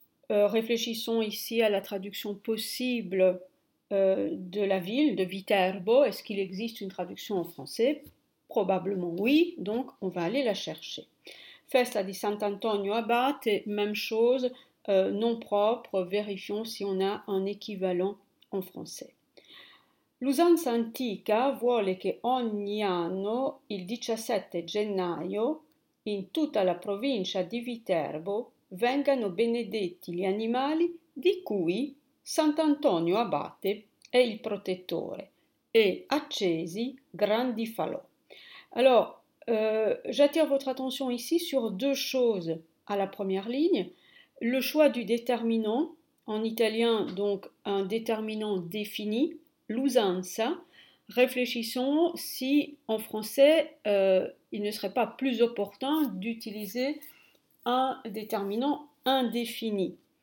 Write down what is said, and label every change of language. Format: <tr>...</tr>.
<fr>Réfléchissons ici à la traduction possible de la ville de Viterbo. Est-ce qu'il existe une traduction en français? Probablement oui, donc on va aller la chercher. Festa di Sant'Antonio Abate, même chose. Nom propre, vérifions si on a un équivalent en français.</fr> <it>L'usanza antica vuole che ogni anno, il 17 gennaio, in tutta la provincia di Viterbo, vengano benedetti gli animali di cui Sant'Antonio Abate è il protettore e accesi grandi falò.</it> <fr>Alors, j'attire votre attention ici sur deux choses à la première ligne. Le choix du déterminant, en italien donc un déterminant défini, l'usanza. Réfléchissons si en français il ne serait pas plus opportun d'utiliser un déterminant indéfini.</fr>